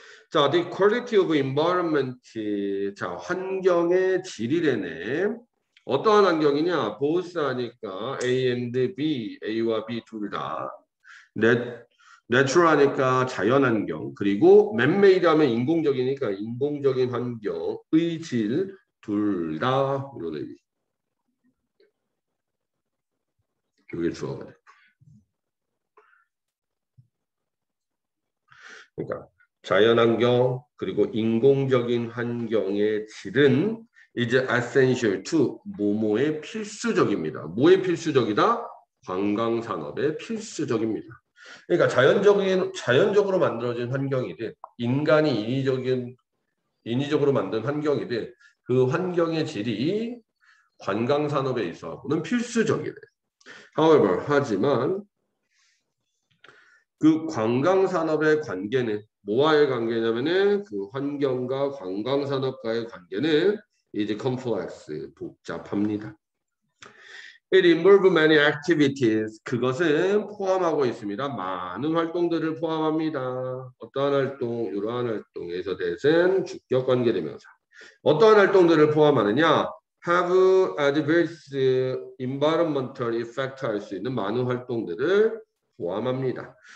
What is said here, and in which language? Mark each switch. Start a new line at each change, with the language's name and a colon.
Korean: 자,
English: the quality of environment.
Korean: 자, 환경의 질이래네. 어떠한 환경이냐? both 하니까
English: A and B,
Korean: A와 B 둘 다. natural 하니까 자연 환경. 그리고 man-made 하면 인공적이니까 인공적인 환경의 질둘 다. 이런 얘기. 그게 좋아. 그러니까 자연환경 그리고 인공적인 환경의 질은 이제
English: essential to
Korean: 뭐뭐의 필수적입니다. 뭐의 필수적이다? 관광 산업의 필수적입니다. 그러니까 자연적으로 만들어진 환경이든 인간이 인위적으로 만든 환경이든 그 환경의 질이 관광 산업에 있어서는 필수적이래. However, 하지만 그 관광 산업의 관계는 뭐와의 관계냐면은 그 환경과 관광 산업과의 관계는 이제 컴플렉스 복잡합니다.
English: It involves many activities.
Korean: 그것은 포함하고 있습니다. 많은 활동들을 포함합니다. 어떠한 활동, 이러한 활동에서 대해서는 주격 관계대명사. 어떠한 활동들을 포함하느냐?
English: Have adverse environmental effect
Korean: 할수 있는 많은 활동들을 포함합니다.